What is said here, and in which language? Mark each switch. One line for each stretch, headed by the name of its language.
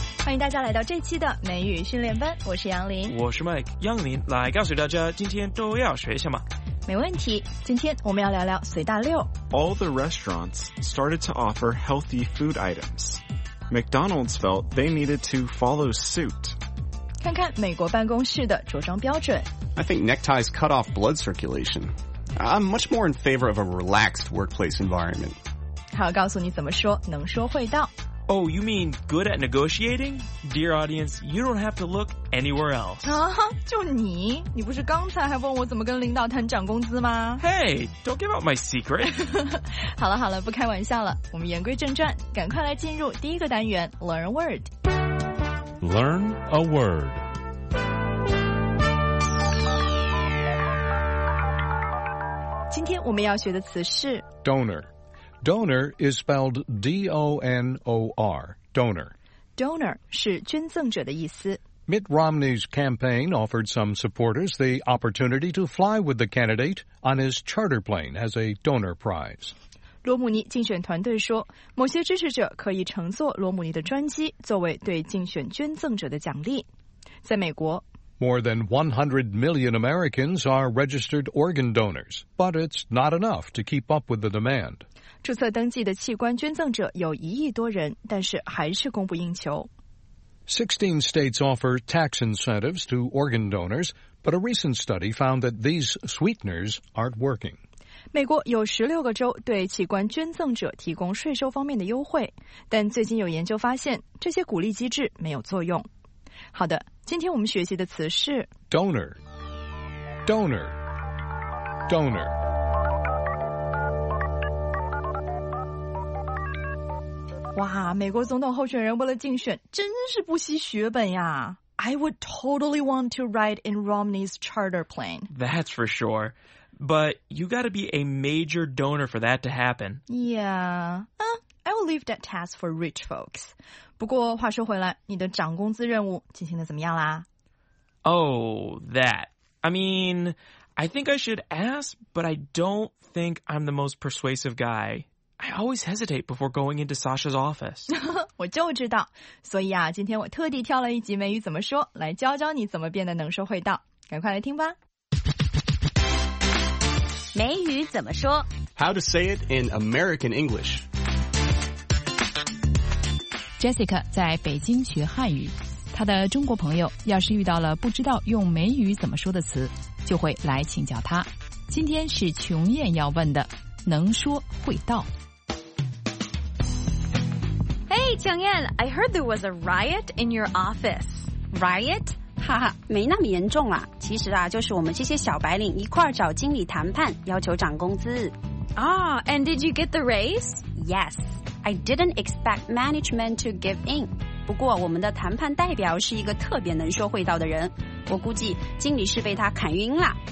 Chinese: 迎大家来到这期的美语训练班，我是杨林，我是 Mike 杨林，来告诉大家今天都要学什么。没问题，今天我们要聊聊随大溜。
English: All the restaurants started to offer healthy food items. McDonald's felt they needed to follow suit.
Chinese: 看看美国办公室的着装标准。
English: I think neckties cut off blood circulation. I'm much more in favor of a relaxed workplace environment.
Chinese: 好，告诉你怎么说，能说会道。
English: Oh, you mean good at negotiating? Dear audience, you don't have to look anywhere else.
Chinese: 啊，就你？你不是刚才还问我怎么跟领导谈涨工资吗？
English: Hey, don't give out my secret.
Chinese: 好了好了，不开玩笑了。我们言归正传，赶快来进入第一个单元 ,
English: Learn a Word. Learn a Word.
Chinese: 今天我们要学的词是
English: Donor. Donor is spelled D-O-N-O-R, donor.
Chinese: Donor 是捐赠者的意思。
English: Mitt Romney's campaign offered some supporters the opportunity to fly with the candidate on his charter plane as a donor prize.
Chinese: 罗姆尼竞选团队说，某些支持者可以乘坐罗姆尼的专机作为对竞选捐赠者的奖励。在美国，
English: More than 100 million Americans are registered organ donors, but it's not enough to keep up with the demand.
Chinese: 注册登记的器官捐赠者有一亿多人，但是还是供不应求。
English: 16 states offer tax incentives to organ donors, but a recent study found that these sweeteners aren't working.
Chinese: 美国有16个州对器官捐赠者提供税收方面的优惠，但最近有研究发现，这些鼓励机制没有作用。好的，今天我们学习的词是
English: Donor, Donor, Donor.
Chinese: 哇，美国总统候选人为了竞选真是不惜血本呀。
English: I would totally want to ride in Romney's charter plane. That's for sure. But you gotta be a major donor for that to happen. Yeah, I will leave that task for rich folks.
Chinese: 不过话说回来，你的涨工资任务进行得怎么样啦？
English: Oh, that. I mean, I think I should ask, but I don't think I'm the most persuasive guy. I always hesitate before going into Sasha's office.
Chinese: 我就知道，所以啊，今天我特地挑了一集美语怎么说，来教教你怎么变得能说会道。赶快来听吧。美语怎么说
English: ？How to say it in American English?
Chinese: Jessica 在北京学汉语，她的中国朋友要是遇到了不知道用美语怎么说的词，就会来请教她。今天是琼艳要问的。能说会道。
English: Hey, 琼艳 I heard there was a riot in your office. Riot?
Chinese: 哈哈，没那么严重啊。其实啊，就是我们这些小白领一块儿找经理谈判，要求涨工资。
English: Ah, and did you get the raise? Yes, I didn't expect management to give in.
Chinese: 不过我们的谈判代表是一个特别能说会道的人，我估计经理是被他砍晕了。